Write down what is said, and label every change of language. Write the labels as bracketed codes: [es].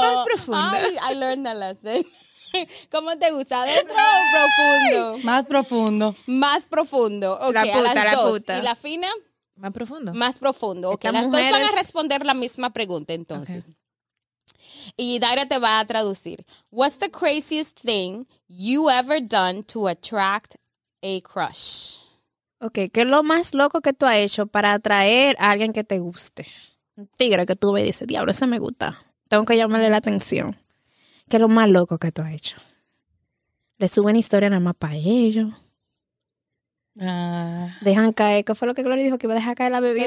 [es] Más profundo. [en] I learned that lesson. [es] ¿Cómo te gusta? ¿Adentro o profundo? Más profundo. Más profundo. Okay, la puta, la puta. ¿Y la fina? Más profundo. Más profundo. Ok, las dos van a responder la misma pregunta, entonces. Okay. Y Daira te va a traducir. [en] What's the craziest thing you ever done to attract a crush? [es] Okay, ¿qué es lo más loco que tú has hecho para atraer a alguien que te guste? Un tigre que tú ves y dices, diablo, ese me gusta. Tengo que llamarle la atención. ¿Qué es lo más loco que tú has hecho? Le suben historia nada más para ellos. Dejan caer, ¿qué fue lo que Gloria dijo? Que iba a dejar caer la bebida.